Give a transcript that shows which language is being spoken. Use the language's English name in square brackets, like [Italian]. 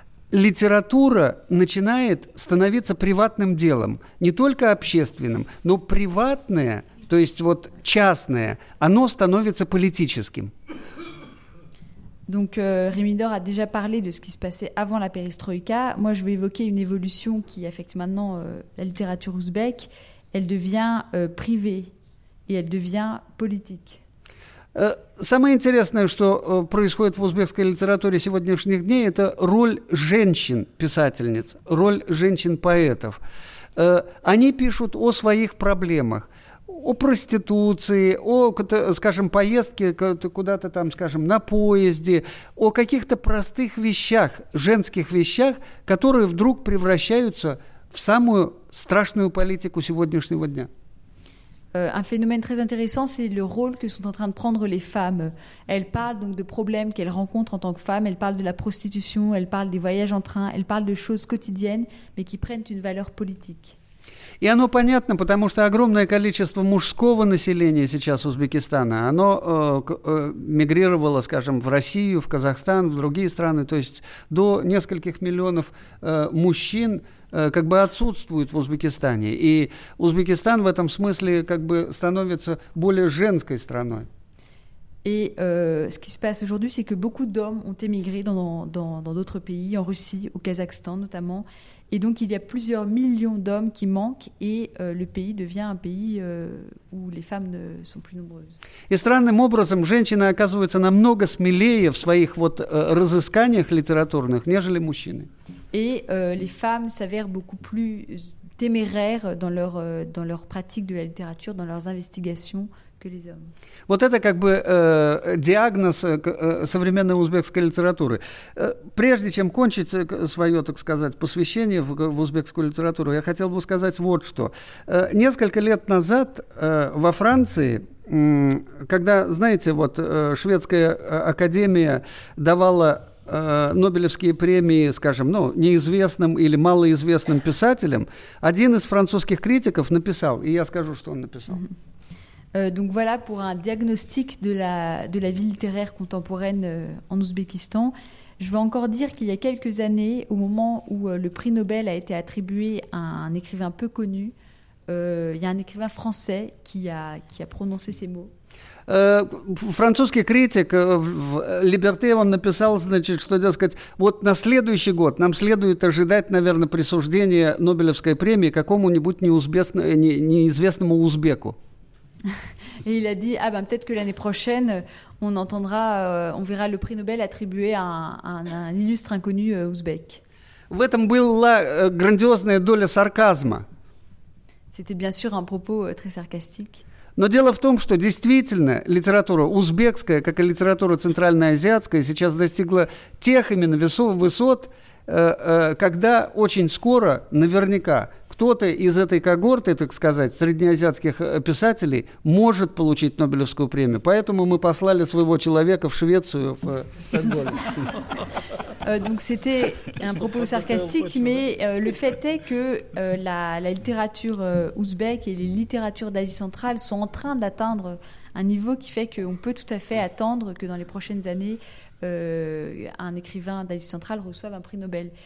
[Russian] Литература начинает становиться приватным делом, не только общественным, но приватное, то есть вот частное, оно становится политическим. [French] Donc Ремидор a déjà parlé de ce qui se passait avant la perestroïka. Moi, je veux évoquer une évolution qui affecte maintenant la littérature ouzbèque. Elle devient privée et elle devient politique. [Russian] Самое интересное, что происходит в узбекской литературе сегодняшних дней, это роль женщин-писательниц, роль женщин-поэтов. Они пишут о своих проблемах. О проституции, о, скажем, поездке куда-то там, скажем, на поезде, о каких-то простых вещах, женских вещах, которые вдруг превращаются в самую страшную политику сегодняшнего дня. [French] Un phénomène très intéressant, c'est le rôle que sont en train de prendre les femmes. Elles parlent donc de problèmes qu'elles rencontrent en tant que femmes, elles parlent de la prostitution, elles parlent des voyages en train, elles parlent de choses quotidiennes, mais qui prennent une valeur politique. [Russian] И оно понятно, потому что огромное количество мужского населения сейчас Узбекистана, оно мигрировало, скажем, в Россию, в Казахстан, в другие страны. То есть до нескольких миллионов мужчин как бы отсутствует в Узбекистане. И Узбекистан в этом смысле как бы становится более женской страной. [French] Et ce qui se passe aujourd'hui, c'est que beaucoup d'hommes ont émigré dans d'autres pays, en Russie, au Kazakhstan notamment. Et donc, il y a plusieurs millions d'hommes qui manquent et le pays devient un pays où les femmes ne sont plus nombreuses. [Russian] Et странным образом, женщины оказываются намного смелее в своих вот разысканиях литературных, нежели мужчины. [French] Et les femmes s'avèrent beaucoup plus téméraires dans leur pratique de la littérature, dans leurs investigations. [Russian] Вот это как бы диагноз современной узбекской литературы. Прежде чем кончить свое, так сказать, посвящение в узбекскую литературу, я хотел бы сказать вот что. Несколько лет назад во Франции, когда, знаете, вот шведская академия давала Нобелевские премии, скажем, ну, неизвестным или малоизвестным писателям, один из французских критиков написал, и я скажу, что он написал. [French] Donc voilà pour un diagnostic de la vie littéraire contemporaine en Ouzbékistan. Je veux encore dire qu'il y a quelques années, au moment où le prix Nobel a été attribué à un écrivain peu connu, il y a un écrivain français qui a prononcé ces mots. [Russian] Французский критик в «Либерте», он написал, значит, что, дескать, вот на следующий год нам следует ожидать, наверное, присуждения Нобелевской премии какому-нибудь неизвестному узбеку. [French] Et il a dit, ah ben peut-être que l'année prochaine, on verra le prix Nobel attribué à un illustre inconnu ouzbek. [Russian] В этом была грандиозная доля сарказма. [French] C'était bien sûr un propos très sarcastique. [Russian] Но дело в том, что действительно литература узбекская, как и литература центральноазиатская, сейчас достигла тех именно высот, когда очень скоро, наверняка, кто-то из этой когорты, так сказать, среднеазиатских писателей может получить Нобелевскую премию. Поэтому мы послали своего человека в Швецию, в Стокгольм. [French] Donc c'était un propos sarcastique, mais le fait est que la littérature ouzbek et les littératures d'Asie centrale sont en train d'atteindre un niveau qui fait qu'on peut tout à fait attendre que dans les prochaines années, un écrivain d'Asie centrale reçoive un prix Nobel.